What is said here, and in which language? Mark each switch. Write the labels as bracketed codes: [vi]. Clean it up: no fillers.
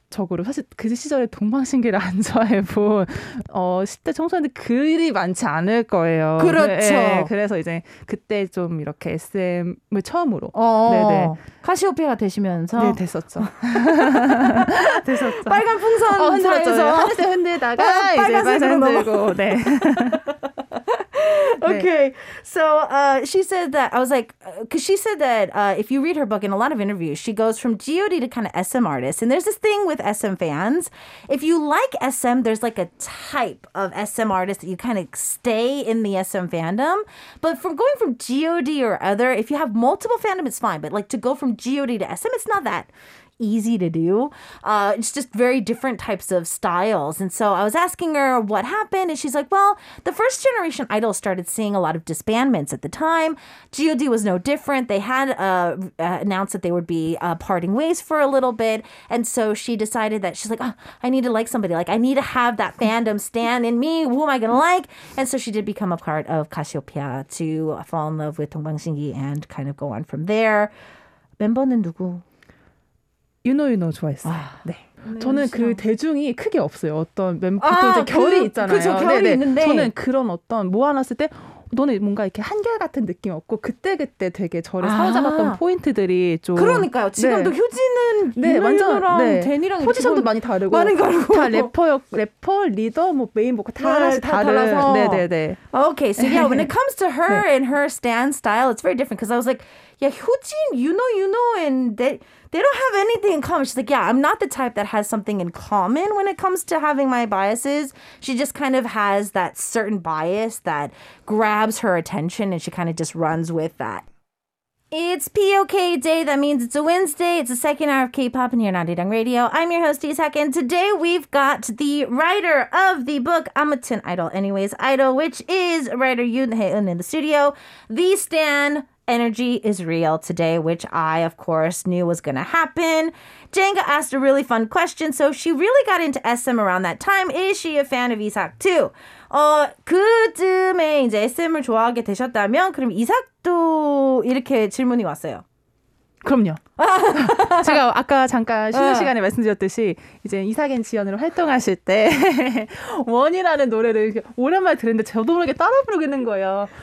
[ko] 적으로 사실 그 시절에 동방신기를 안 좋아해본 10대 청소년들 그리 많지 않을 거예요. 그렇죠. 네, 그래서 이제 그때 좀 이렇게 SM을 처음으로 카시오페아가 되시면서 네 됐었죠. 됐었죠. 빨간 풍선 흔들었죠. 하늘색 흔들다가 빨간색 흔들고 네. [en] Okay, so she said that, I was like, because she said that if you read her book in a lot of interviews, she goes from G.O.D. to kind of SM artists. And there's this thing with SM fans. If you like SM, there's like a type of SM artist that you kind of stay in the SM fandom. But from going from G.O.D. or other, if you have multiple fandom, it's fine. But like to go from G.O.D. to SM, it's not that easy to do. It's just very different types of styles. And so I was asking her what happened, and she's like, well, the first generation idols started seeing a lot of disbandments at the time. G.O.D. was no different. They had announced that they would be parting ways for a little bit, and so she decided that she's like, oh, I need to like somebody. Like, I need to have that fandom stand in me. Who am I going to like? And so she did become a part of Cassiopeia to fall in love with Dongbangshinki and kind of go on from there. [ko] 멤버는 누구? 유노 좋아했어요. 아, 네. 저는 그 대중이 크게 없어요. 어떤 보통 이제 결이 있잖아요. 그쵸, 결이 네네. 있는데. 저는 그런 어떤 모아놨을 때 너는 뭔가 이렇게 한결같은 느낌 없고 그때그때 되게 저를 사로잡았던 포인트들이 좀 그러니까요. 지금도 네. 효진은 네, 완전 데니랑 네. 포지션도 많이 다르고 많은 걸 다 래퍼 리더 뭐 메인 보컬 다 하나씩 다른 네네네. [en] Okay, so yeah, when it comes to her [ko] 네. [en] and her stand style, it's very different because I was like, yeah, 효진, you know, and they don't have anything in common. She's like, yeah, I'm not the type that has something in common when it comes to having my biases. She just kind of has that certain bias that grabs her attention, and she kind of just runs with that. It's POK day. That means it's a Wednesday. It's the second hour of K-pop, and you're on Arirang Radio. I'm your host, Isak, and today we've got the writer of the book, Amutin Idol, Anyways Idol, which is writer Yoon Hae-eun in the studio, the Stan. Energy is real today, which I, of course, knew was going to happen. Jenga asked a really fun question. So she really got into SM around that time. Is she a fan of Isak too? [ko] 그쯤에 이제 SM을 좋아하게 되셨다면 그럼 이삭도 이렇게 질문이 왔어요. 그럼요. 제가 아까 잠깐 쉬는 시간에 말씀드렸듯이 이제 이삭앤 지연으로 활동하실 때 원이라는 노래를 오랜만에 들었는데 저도 모르게 따라 부르겠는 거예요.